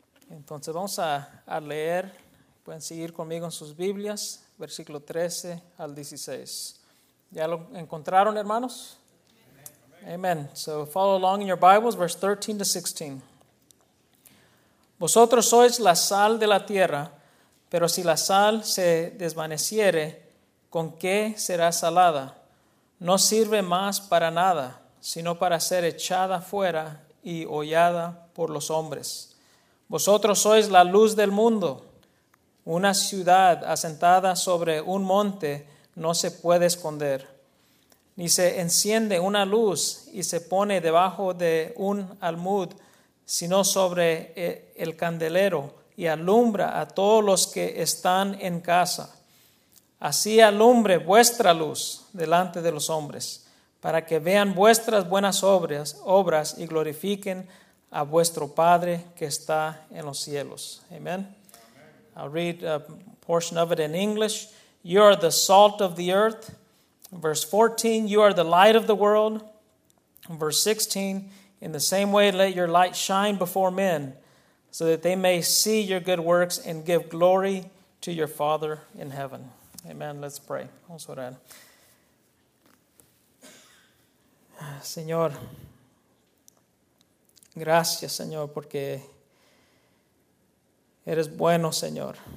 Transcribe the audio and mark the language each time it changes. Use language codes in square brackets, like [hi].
[es] Entonces vamos a leer, pueden seguir conmigo en sus Biblias, versículo 13 al 16. ¿Ya lo encontraron, hermanos? Amen. Amen. [en] So follow along in your Bibles, verse 13 to 16. [es] Vosotros sois la sal de la tierra, pero si la sal se desvaneciere, ¿con qué será salada? No sirve más para nada, sino para ser echada fuera y hollada por los hombres. Vosotros sois la luz del mundo. Una ciudad asentada sobre un monte no se puede esconder. Ni se enciende una luz y se pone debajo de un almud, sino sobre el candelero y alumbra a todos los que están en casa. Así alumbre vuestra luz delante de los hombres, para que vean vuestras buenas obras y glorifiquen a vuestro Padre que está en los cielos. Amen. Amen. [en] I'll read a portion of it in English. You are the salt of the earth. Verse 14, you are the light of the world. Verse 16, in the same way, let your light shine before men, so that they may see your good works and give glory to your Father in heaven. Amen. Let's pray. [es] Vamos a orar. Señor, gracias, Señor, porque eres bueno, Señor.